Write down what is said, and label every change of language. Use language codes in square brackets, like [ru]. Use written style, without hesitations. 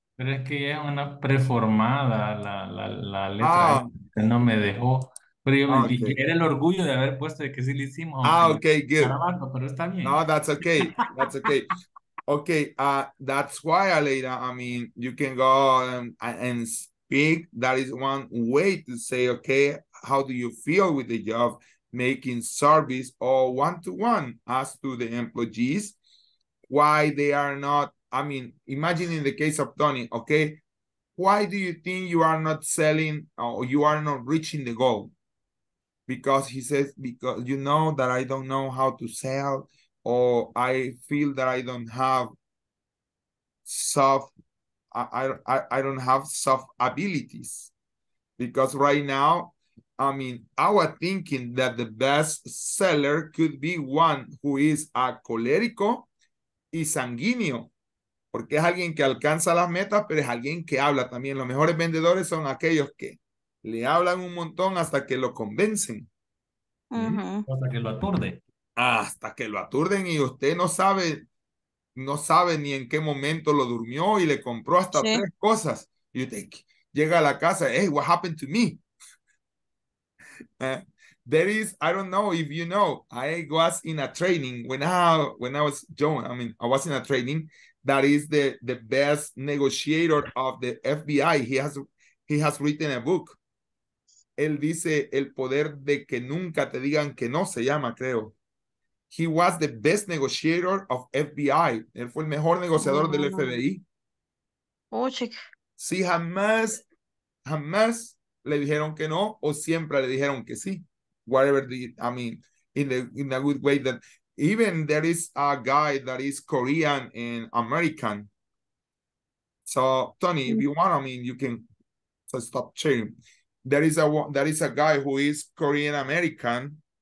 [es] Pero es que es una preformada la letra. Que no me dejó. Pero yo me dije, era el orgullo de haber puesto de que sí lo hicimos. [en] Okay, good. [es] Trabajo, pero está bien. [en] No, that's okay. That's okay. Okay, that's why, Aleida, I mean, you can go and speak. That is one way to say, okay, how do you feel with the job, making service or one-to-one, as to the employees, why they are not, I mean, imagine in the case of Tony, okay? Why do you think you are not selling or you are not reaching the goal? Because he says, because you know that I don't know how to sell, or I feel that I don't have soft, I don't have soft abilities. Because right now, I mean, I was thinking that the best seller could be one who is a [es] colérico y sanguíneo. Porque es alguien que alcanza las metas, pero es alguien que habla también. Los mejores vendedores son aquellos que le hablan un montón hasta que lo convencen. Uh-huh. Hasta que lo aturde. Hasta que lo aturden y usted no sabe ni en qué momento lo durmió y le compró hasta sí. Tres cosas. Y usted llega a la casa, [en] hey, what happened to me? There is, I don't know if you know, I was in a training when I was young, I was in a training that is the best negotiator of the FBI. He has written a book. [es] Él dice, el poder de que nunca te digan que no, se llama, creo. [en] He was the best negotiator of FBI. [es] Él fue el mejor negociador del FBI. Oh, chica. Sí, jamás, jamás le dijeron que no, o siempre le dijeron que sí. [en] Whatever, in a good way that... Even there is a guy that is Korean and American. So, Tony, if you want, you can stop sharing. There is a guy who is Korean American.